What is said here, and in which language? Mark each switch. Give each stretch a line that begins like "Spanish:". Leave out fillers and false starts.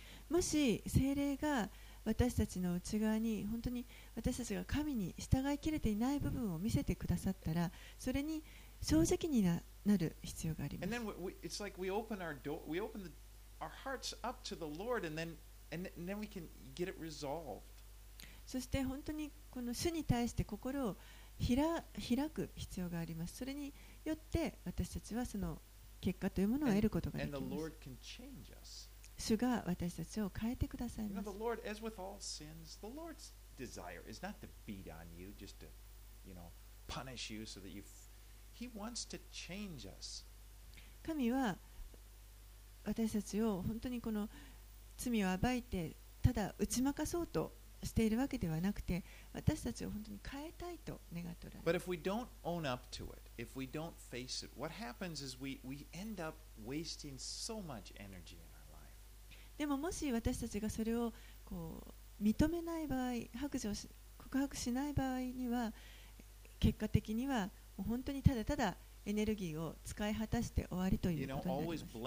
Japanese: もし聖霊が私たちの内側に本当に私たちが神に従いきれていない部分を見せてくださったら、それに正直になる必要があります。
English: And then it's like we open our door, we open the door. Our hearts up to the Lord, and then we can get it resolved.
Japanese: そして本当にこの主に対して心を開く必要があります。それによって私たちはその結果というものを得ることができます。
English: And the Lord can change us.
Japanese: 主が私たちを変えてくださいます。
English: You know, the Lord, as with all sins, the Lord's desire is not to beat on you, just to, you know, punish you so that you. He wants to change us.
Japanese: 神は私たちを本当にこの罪を暴いてただ打ち負かそうとしているわけではなくて、私たちを本当に変えたいと願っておられます。
English: But if we don't own up to it, if we don't face it, what happens is we end up wasting so much energy in our life.
Japanese: でももし私たちがそれをこう認めない場合、告白しない場合には、結果的にはもう本当にただただエネルギーを使い果たして終わりということになります。